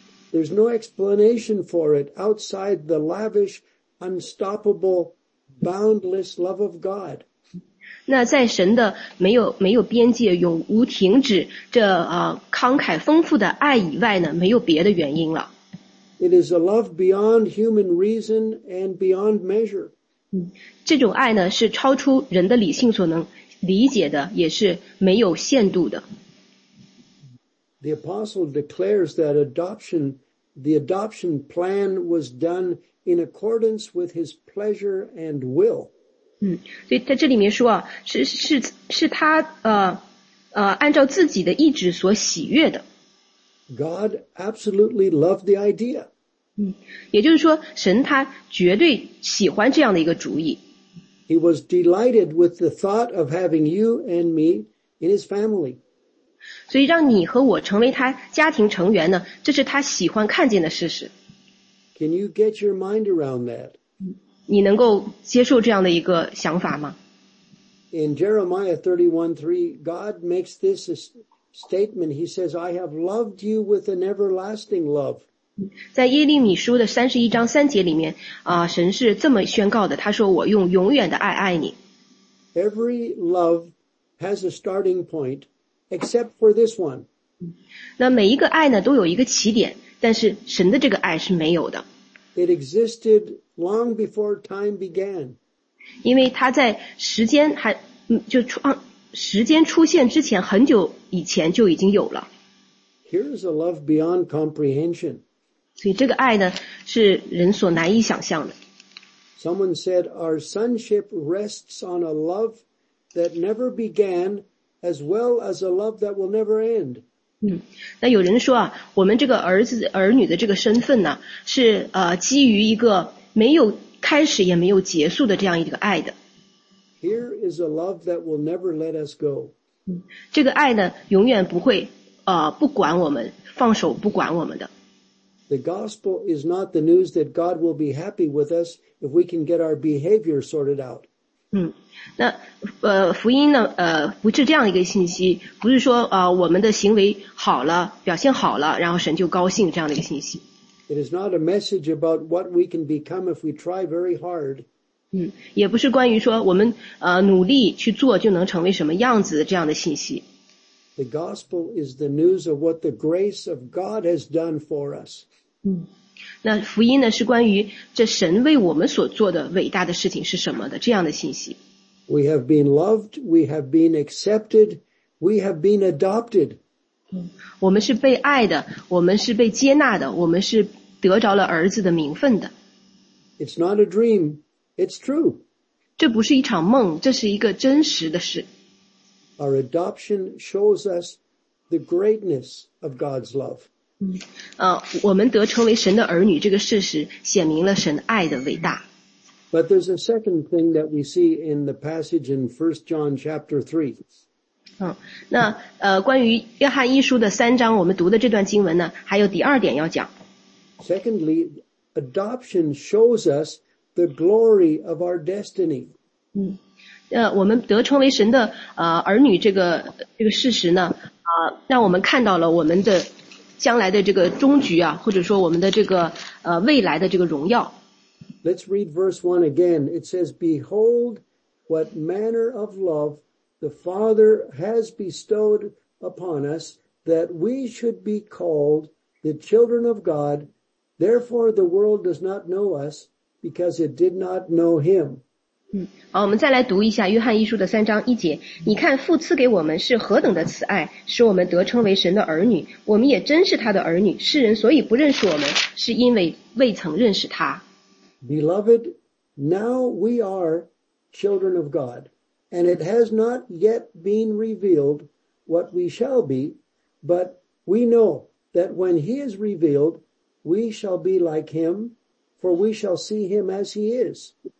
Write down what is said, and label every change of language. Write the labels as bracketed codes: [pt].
[en] There's no explanation for it outside the lavish, unstoppable, boundless love of God. [zh] 那在神的没有边界、永无停止这慷慨丰富的爱以外呢，没有别的原因了。 [en] It is a love beyond human reason and beyond measure. [zh] 这种爱呢是超出人的理性所能理解的，也是没有限度的。 [en] The apostle declares that the adoption plan was done in accordance with his pleasure and will. [zh] 所以在这里面说啊，是他按照自己的意志所喜悦的。 [en] God absolutely loved the idea. [zh] 也就是说神他绝对喜欢这样的一个主意。 [en] He was delighted with the thought of having you and me in his family. [zh] 所以让你和我成为他家庭成员呢，这是他喜欢看见的事实。 [en] Can you get your mind around that? [zh] 你能够接受这样的一个想法吗？ [en] In Jeremiah 31:3, God makes this statement. He says, I have loved you with an everlasting love. [zh] 在耶利米书的31:3里面神是这么宣告的，他说我用永远的爱爱你。 [en] Every love has a starting point, except for this one. [zh] 那每一个爱呢都有一个起点，但是神的这个爱是没有的。 [en] It existed long before time began. [zh] 因为他在时间出现之前很久以前就已经有了。 [en] Here's a love beyond comprehension. [zh] 所以这个爱呢是人所难以想象的。 [en] Someone said our sonship rests on a love that never began as well as a love that will never end. [zh] 那有人说啊，我们这个儿女的这个身份呢是基于一个没有开始也没有结束的这样一个爱的。 [en] Here is a love that will never let us go. [zh] 这个爱呢，永远不会不管我们，放手不管我们的。 [en] The gospel is not the news that God will be happy with us if we can get our behavior sorted out. [zh] 那福音呢不是这样一个信息，不是说我们的行为好了，表现好了，然后神就高兴这样的一个信息。 [en] It is not a message about what we can become if we try very hard. [zh] 也不是关于说我们努力去做就能成为什么样子这样的信息。 [en] The gospel is the news of what the grace of God has done for us. [zh] 那福音呢是关于这神为我们所做的伟大的事情是什么的这样的信息。 [en] We have been loved, we have been accepted, we have been adopted. [zh] 我们是被爱的，我们是被接纳的，我们是得着了儿子的名分的。 [en] It's not a dream, it's true. [zh] 这不是一场梦，这是一个真实的事。 [en] Our adoption shows us the greatness of God's love. [zh] 我们得称为神的儿女这个事实显明了神爱的伟大。 [en] But there's a second thing that we see in the passage in 1 John chapter 3. [zh] 关于约翰一书的三章我们读的这段经文呢还有第二点要讲。 [en] Secondly, adoption shows us the glory of our destiny. [zh] 我们得称为神的儿女这个事实呢让我们看到了我们的将来的这个终局啊或者说我们的这个未来的这个荣耀。 [en] Let's read verse 1 again. It says, Behold what manner of love the Father has bestowed upon us that we should be called the children of God. Therefore the world does not know us because it did not know him. [zh] 好，我们再来读一下约翰一书的三章一节。你看父赐给我们是何等的慈爱，使我们得称为神的儿女，我们也真是他的儿女。世人所以不认识我们，是因为未曾认识他。 [en] Beloved, now we are children of God, and it has not yet been revealed what we shall be, but we know that when he is revealed, we shall be like him, for we shall see him as he is.